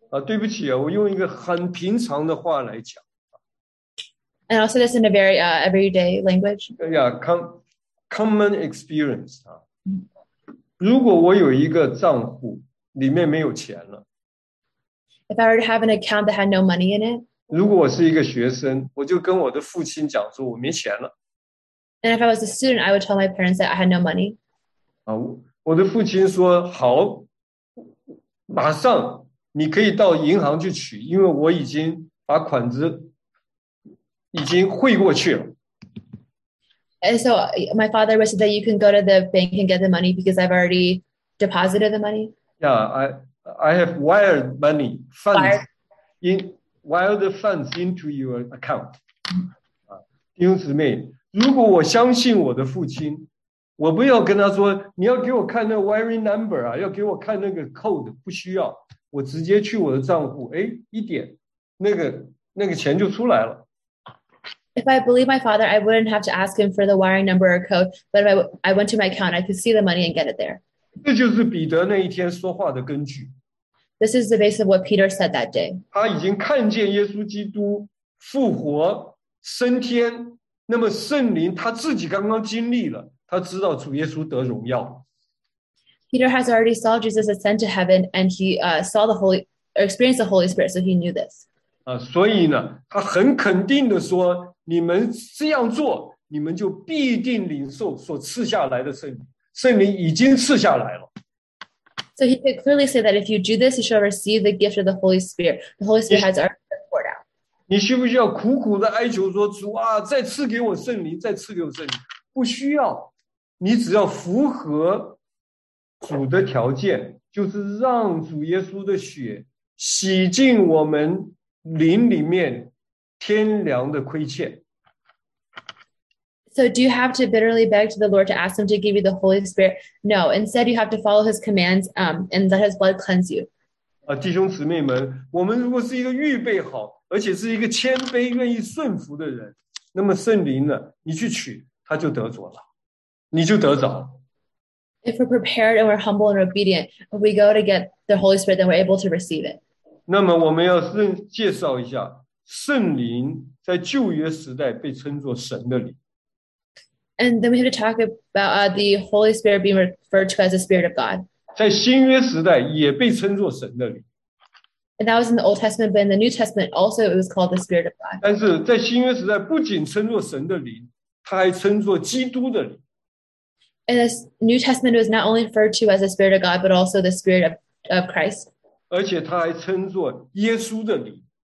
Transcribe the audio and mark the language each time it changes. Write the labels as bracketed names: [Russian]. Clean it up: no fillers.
[Chinese] 对不起啊，我用一个很平常的话来讲。 [English] And I'll say this in a very everyday language. Yeah, common experience. [Chinese] 如果我有一个账户，里面没有钱了。 [English] If I were to have an account that had no money in it. [Chinese] 如果我是一个学生，我就跟我的父亲讲说我没钱了。 [English] And if I was a student, I would tell my parents that I had no money. [Chinese] 我的父亲说好，马上。你可以到银行去取，因为我已经把款子已经汇过去了。 [English] And so my father wished that you can go to the bank and get the money because I've already deposited the money. Yeah, I have wired money funds into your account. [Chinese] 弟兄姊妹，如果我相信我的父亲，我不要跟他说你要给我看那 [English] wiring number [Chinese] 啊，要给我看那个 code， 不需要。我直接去我的账户，哎，一点，那个钱就出来了。 [English] If I believe my father, I wouldn't have to ask him for the wiring number or code. But if I went to my account, I could see the money and get it there. [Chinese] 这就是彼得那一天说话的根据。 [English] This is the base of what Peter said that day. [Chinese] 他已经看见耶稣基督复活升天，那么圣灵他自己刚刚经历了，他知道主耶稣得荣耀。 [English] Peter has already saw Jesus ascend to heaven, and he saw the Holy, or experienced the Holy Spirit, so he knew this. [Chinese] 所以呢，他很肯定地说，你们这样做，你们就必定领受所赐下来的圣灵。圣灵已经赐下来了。 [English] So he could clearly say that if you do this, you shall receive the gift of the Holy Spirit. The Holy Spirit has already been poured out. [Chinese] 你需不需要苦苦地哀求说，主啊，再赐给我圣灵，再赐给我圣灵？不需要，你只要符合。主的条件就是让主耶稣的血洗净我们灵里面天良的亏欠。 [English] So do you have to bitterly beg to the Lord to ask him to give you the Holy Spirit? No, instead you have to follow his commands, and let his blood cleanse you. [Chinese] 弟兄姊妹们，我们如果是一个预备好，而且是一个谦卑愿意顺服的人，那么圣灵呢，你去取，他就得着了，你就得着。 [English] If we're prepared and we're humble and obedient, if we go to get the Holy Spirit, then we're able to receive it. [Chinese] 那么我们要介绍一下，圣灵在旧约时代被称作神的灵。 [English] And then we have to talk about the Holy Spirit being referred to as the Spirit of God. [Chinese] 在新约时代也被称作神的灵。 [English] And that was in the Old Testament, but in the New Testament also it was called the Spirit of God. [Chinese] 但是在新约时代不仅称作神的灵，他还称作基督的灵。 [English] And the New Testament was not only referred to as the Spirit of God, but also the Spirit of Christ. [Chinese] 而且他还称作耶稣的灵。